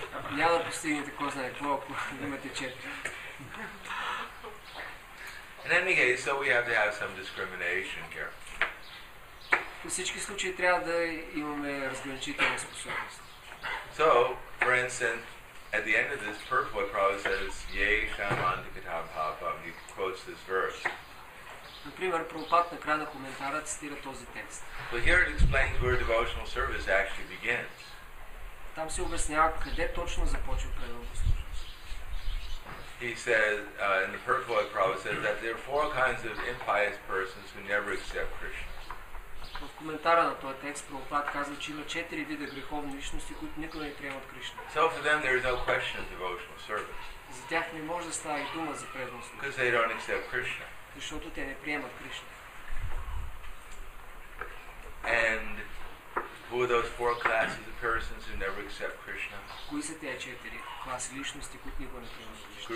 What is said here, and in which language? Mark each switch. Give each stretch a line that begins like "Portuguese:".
Bulgarian: Няма да постигнете кой знае какво, ако имате 4.
English: In any case, so we have to have some discrimination here.
Bulgarian: В всички случаи трябва да имаме разграничителна способност.
English: So, for instance, at the end of this purport, Prabhupada says,
Sanskrit: Ye shamandikatam bhavam.
English: He quotes this verse.
Bulgarian: Например, Прабхупад на края на коментара цитира този текст.
English: But here it explains where devotional service actually begins.
Bulgarian: Там се обяснява къде точно започва преданото
English: служение. He said, in the purport, Prabhupada says that there are 4 kinds of impious persons who never accept Krishna.
Bulgarian: В коментара на този текст Прабхупад казва, че има 4 вида греховни личности, които никога не приемат Кришна.
English: So for them there is no question of devotional service.
Bulgarian: За тях не може да става и дума за преданото служение.
English: Because they don't accept Krishna.
Bulgarian: Защото те не приемат Кришна.
English: And who are those 4 classes of persons who never accept Krishna?
Bulgarian: Кои са тези 4 класи личности, които никога не приемат Кришна?